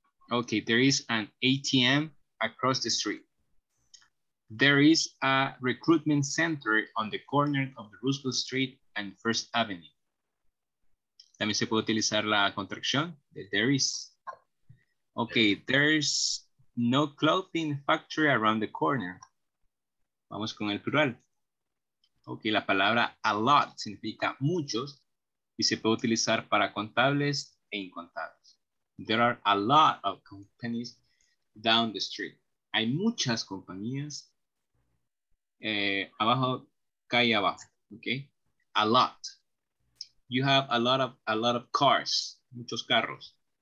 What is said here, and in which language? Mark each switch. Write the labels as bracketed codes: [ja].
[en] Ok, there is an ATM across the street. There is a recruitment center on the corner of the Roosevelt Street and First Avenue. [es] También se puede utilizar la contracción de there is. Okay, [en] there's no clothing factory around the corner. [es] Vamos con el plural. Okay, la palabra a lot significa muchos y se puede utilizar para contables e incontables. [en] There are a lot of companies down the street. [es] Hay muchas compañías. Abajo, calle abajo, okay? A lot. [en] You have a lot of cars, [es] muchos carros.